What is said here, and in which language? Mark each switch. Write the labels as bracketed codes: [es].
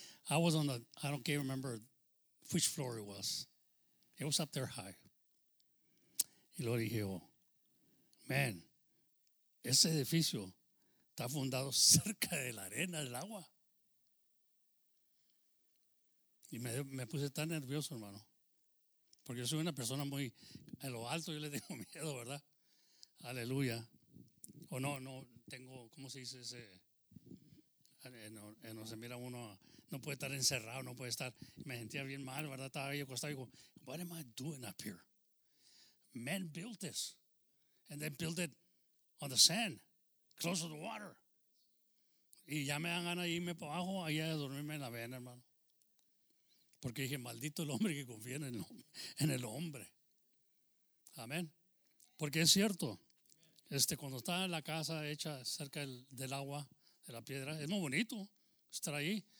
[en] I was on the, I don't even remember which floor it was. It was up there high. [es] Y luego dije, [en] oh, man, [es] ese edificio está fundado cerca de la arena, del agua. Y me puse tan nervioso, hermano. Porque yo soy una persona muy, en lo alto yo le tengo miedo, ¿verdad? Aleluya. O no tengo, ¿cómo se dice ese? No se mira uno, no puede estar encerrado, no puede estar. Me sentía bien mal, ¿verdad? Estaba ahí acostado y digo, [en] what am I doing up here? Men built this. And then built it on the sand, close to the water. [es] Y ya me dan ganas de irme para abajo, allá de dormirme en la vena, hermano. Porque dije, maldito el hombre que confía en el hombre. Amén. Porque es cierto, cuando está la casa hecha cerca del agua, de la piedra, es muy bonito estar ahí.